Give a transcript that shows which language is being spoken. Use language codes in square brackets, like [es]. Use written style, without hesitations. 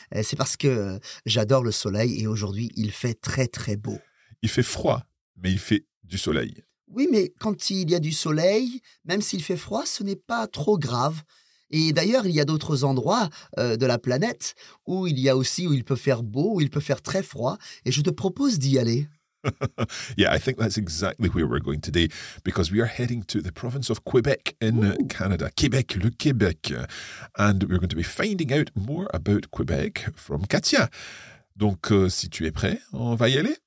[fr] C'est parce que j'adore le soleil et aujourd'hui, il fait très, très beau. Il fait froid, mais il fait du soleil. Oui, mais quand il y a du soleil, même s'il fait froid, ce n'est pas trop grave. Et d'ailleurs, il y a d'autres endroits de la planète où il y a aussi, où il peut faire beau, où il peut faire très froid. Et je te propose d'y aller. [en] Yeah, I think that's exactly where we're going today, because we are heading to the province of Quebec in Canada. Québec, le Québec. And we're going to be finding out more about Quebec from Katia. [fr] Donc, si tu es prêt, on va y aller.